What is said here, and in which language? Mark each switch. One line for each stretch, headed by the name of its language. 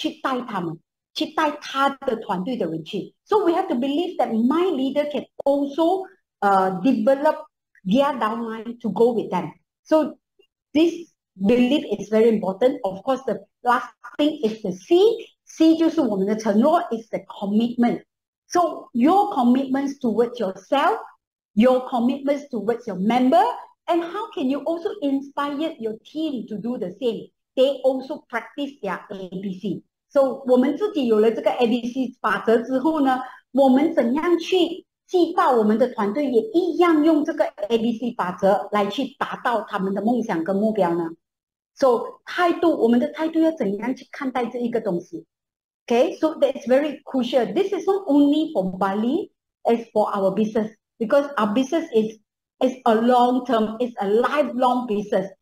Chinese: 你的领导也可以的去带他们，去带他的团队的人去.
English: So we have to believe that my leader can also develop their downline to go with them. So this belief is very important. Of course, the last thing is the C. C
Chinese: 就是我们的承诺,
English: is the commitment. So your commitments towards yourself, your commitments towards your member, and how can you also inspire your team to do the same? They also practice their ABC.
Chinese: So 我们自己有了这个 ABC 法则之后呢，我们怎样去激发我们的团队也一样用这个 ABC 法则来去达到他们的梦想跟目标呢？ So 态度，我们的态度要怎样去看待这一个东西？
English: Okay, so that's very crucial. This is not only for Bali, it's for our business, because our business is a long term, it's a lifelong business.